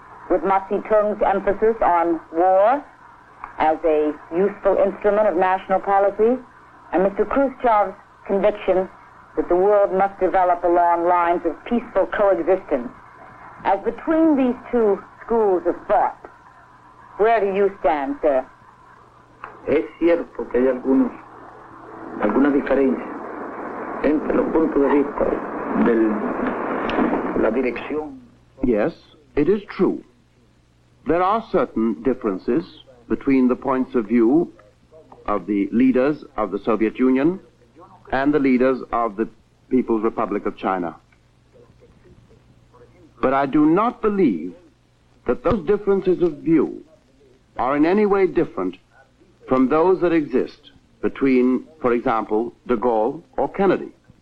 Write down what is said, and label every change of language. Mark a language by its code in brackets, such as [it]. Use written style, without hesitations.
[en] With Mao Zedong's emphasis on war as a useful instrument of national policy, and Mr. Khrushchev's conviction that the world must develop along lines of peaceful coexistence, as between these two schools of thought, where do you stand, sir? [es] Es cierto que hay algunas diferencias entre los puntos de vista de la dirección. [en] Yes, it is true. There are certain differences between the points of view of the leaders of the Soviet Union and the leaders of the People's Republic of China. But I do not believe that those differences of view are in any way different from those that exist between, for example, de Gaulle or Kennedy.